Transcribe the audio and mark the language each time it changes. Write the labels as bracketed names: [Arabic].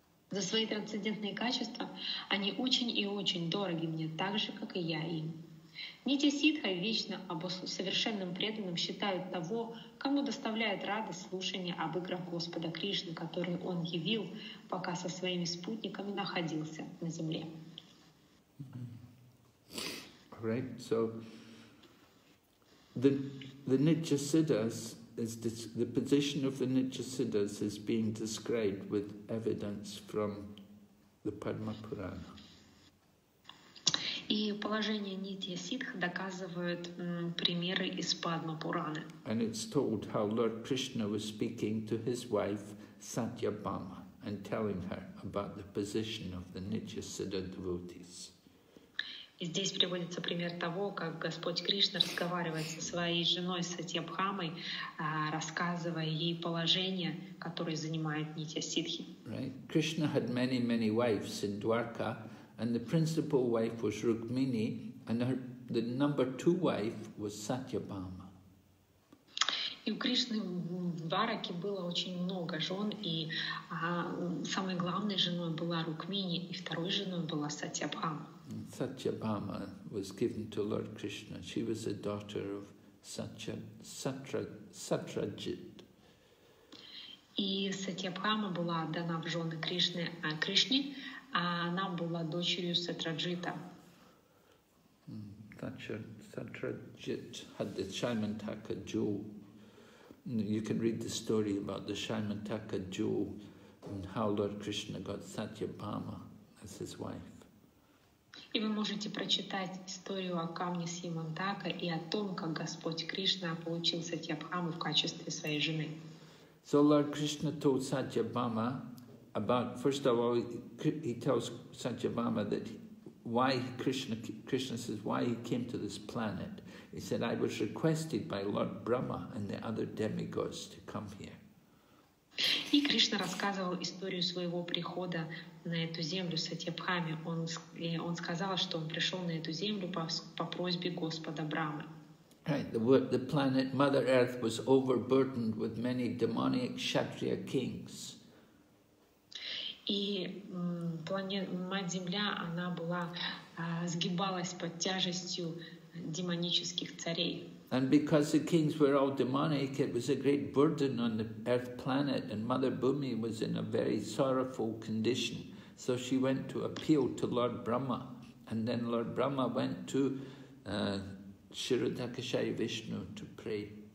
[Russian] За свои трансцендентные качества они очень и очень дороги мне, так же, как и я им. Нитья Сиддха вечно совершенным преданным считают того, кому доставляет радость слушание об играх Господа Кришны, который он явил, пока со своими спутниками находился на земле». [English] Right. So the Nitya Siddhas, is this, the position of the Nitya Siddhas is being described with evidence from the Padma Purana. [Russian] И положение Нитья Сиддх доказывают примеры из Падма Пураны. [English] And it's told how Lord Krishna was speaking to his wife Satyabhama and telling her about the position of the Nitya Siddha devotees. [Russian] И здесь приводится пример того, как Господь Кришна разговаривает со своей женой Сатьябхамой, рассказывая ей положение, которое занимает нитья сиддхи. [English] Right. Krishna had many, many wives in Dwarka, and the principal wife was Rukmini, and the number two wife was Satyabhama. [Russian] И у Кришны в Двараке было очень много жен, и самой главной женой была Рукмини, и второй женой была Сатьябхама. [English] Satyabhama was given to Lord Krishna. She was a daughter of Satrajit. [Russian] И Сатьябхама была дана в жены Кришны, а Кришне, а она была дочерью Сатраджита. [English] Satrajit had the Shyamantaka jewel. You can read the story about the Shyamantaka jewel and how Lord Krishna got Satyabhama as his wife. [Russian] И вы можете прочитать историю о камне Симантака и о том, как Господь Кришна получил Сатьябхаму в качестве своей жены. [English] So Lord Krishna told Satyabhama about, first of all, he tells Satyabhama that why Krishna says why he came to this planet. He said, I was requested by Lord Brahma and the other demigods to come here. [Russian] И Кришна рассказывал историю своего прихода на эту землю с Сатьябхами. Он сказал, что он пришел на эту землю по просьбе Господа Брамы. [English] Right, the planet Mother Earth was overburdened with many demonic Kshatriya kings. [Russian] И Мать-Земля, она была, сгибалась под тяжестью демонических царей. [English] And because the kings were all demonic, it was a great burden on the earth planet, and Mother Bhumi was in a very sorrowful condition. So she went to appeal to Lord Brahma, and then Lord Brahma went to Shirodakshaya Vishnu to pray.